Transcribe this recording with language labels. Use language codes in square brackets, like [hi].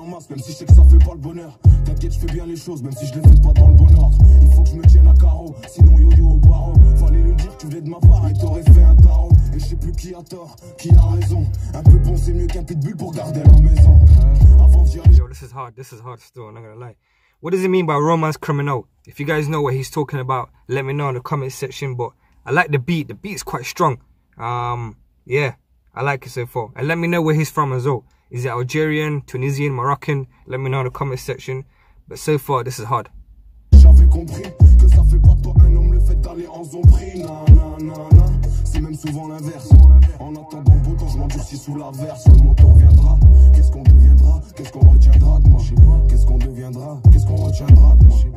[fr] Même si je sais que ça fait pas le bonheur, t'inquiète, je fais bien les choses, même si je les fais pas dans le bon ordre. Il faut que je me tienne à carreau, sinon yo-yo au barreau. Fallait le dire, tu venais de ma part et t'aurais fait un tarot. Et je sais plus qui a tort, qui a raison. Un peu bon, c'est mieux qu'un pitbull pour garder la maison. Avant d'y aller. [en] Yo, this is hard still, I'm not gonna lie. What does it mean by romance criminal? If you guys know what he's talking about, let me know in the comment section. But I like the beat is quite strong. Yeah, I like it so far. And let me know where he's from as well. Is it Algerian, Tunisian, Moroccan? Let me know in the comment section. But so far, this is hard. [fr] J'avais compris que ça fait pas toi un homme le fait d'aller en zombie. Nanana, c'est même souvent l'inverse. En attendant beau temps, je m'endurcis sous l'averse. Le monde reviendra. Qu'est-ce qu'on deviendra? Qu'est-ce qu'on retiendra de moi? Qu'est-ce qu'on deviendra? Qu'est-ce qu'on retiendra de moi?